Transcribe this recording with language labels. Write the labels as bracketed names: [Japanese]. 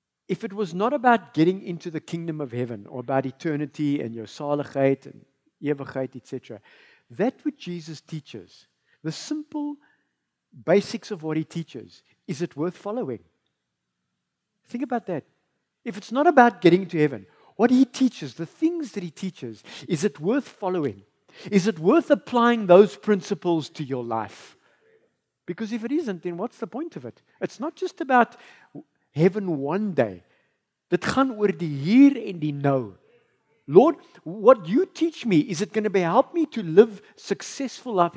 [English] if it was not about getting into the kingdom of heaven or about eternity and your [Afrikaans] saligheid and ewigheid, [English] etc., that which Jesus teaches, the simple basics of what he teaches, is it worth following? Think about that. If it's not about getting to heaven, what he teaches, the things that he teaches, is it worth following? Is it worth applying those principles to your life? Because if it isn't, then what's the point of it? It's not just about heaven one day. [Afrikaans] Dit gaan oor die hier en die nou. [English] Lord, what you teach me, is it going to help me to live successful life?